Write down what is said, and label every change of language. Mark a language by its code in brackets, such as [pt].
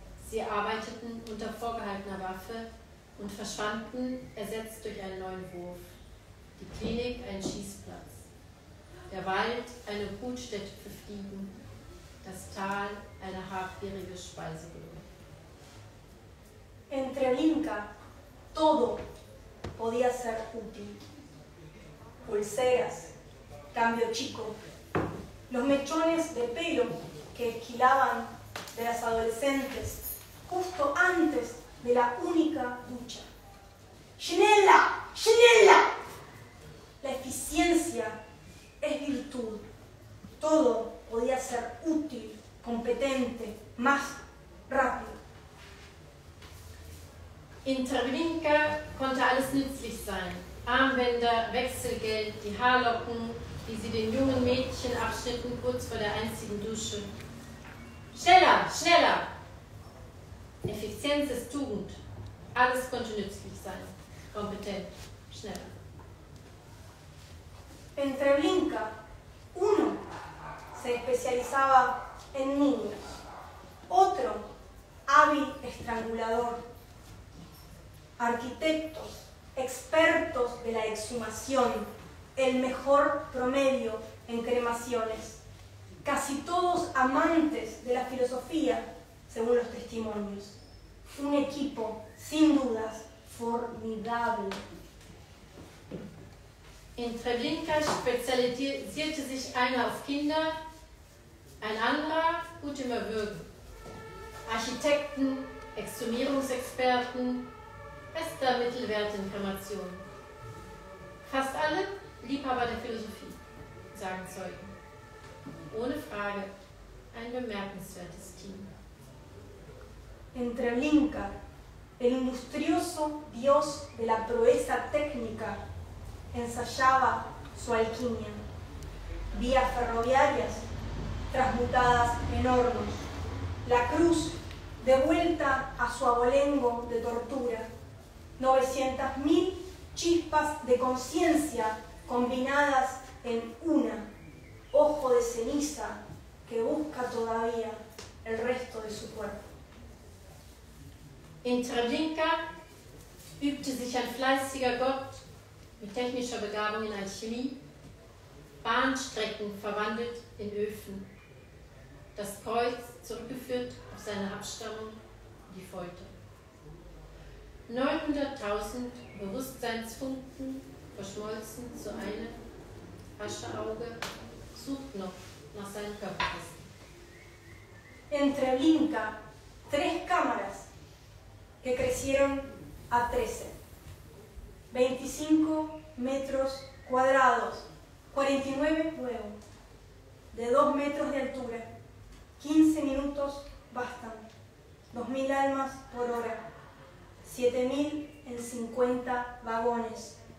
[de] Sie arbeiteten unter vorgehaltener Waffe und verschwanden, ersetzt durch einen neuen Wurf. Die Klinik ein Schießplatz, der Wald eine Brutstätte für Fliegen, das Tal eine habgierige Speiseröhre. [es] En Treblinka todo podía ser útil. Pulseras, cambio chico, los mechones de pelo que esquilaban de las adolescentes justo antes de la única ducha. ¡Chinela! ¡Chinela! La eficiencia es virtud. Todo podía ser útil, competente, más rápido. [de] In Treblinka konnte alles nützlich sein. Armbänder, Wechselgeld, die Haarlocken, die sie den jungen Mädchen abschnitten, kurz vor der einzigen Dusche. Schneller, schneller! Effizienz ist Tugend. Alles konnte nützlich sein. Kompetent, schneller. [es] En Treblinka, uno se especializaba en niños, otro, hábil estrangulador. Arquitectos, expertos de la exhumación, el mejor promedio en cremaciones, casi todos amantes de la filosofía, según los testimonios. Un equipo, sin dudas, formidable. [de] In Treblinka spezialisierte sich einer auf Kinder, ein anderer gut im Erwürgen. Architekten, Exhumierungsexperten, bester Mittelwert in Kremationen. Fast alle Liebhaber der Philosophie, sagen Zeugen. Ohne Frage ein bemerkenswertes Team. [es] In Treblinka, el industrioso Dios de la proeza técnica, ensayaba su alquimia, vías ferroviarias transmutadas en hornos, la cruz devuelta a su abolengo de tortura, 900.000 chispas de conciencia combinadas en una, ojo de ceniza que busca todavía el resto de su cuerpo. [de] In Treblinka übte sich ein fleißiger Gott mit technischer Begabung in Alchemie, Bahnstrecken verwandelt in Öfen, das Kreuz zurückgeführt auf seine Abstammung, die Folter. 900.000 Bewusstseinsfunken verschmolzen zu einem Ascheauge, sucht noch nach seinem Körper. [es] In Treblinka, tres cámaras que crecieron a 13, 25 metros cuadrados, 49 fuego, de 2 metros de altura, 15 minutos bastan, 2.000 almas por hora, 7.000 en 50 vagones,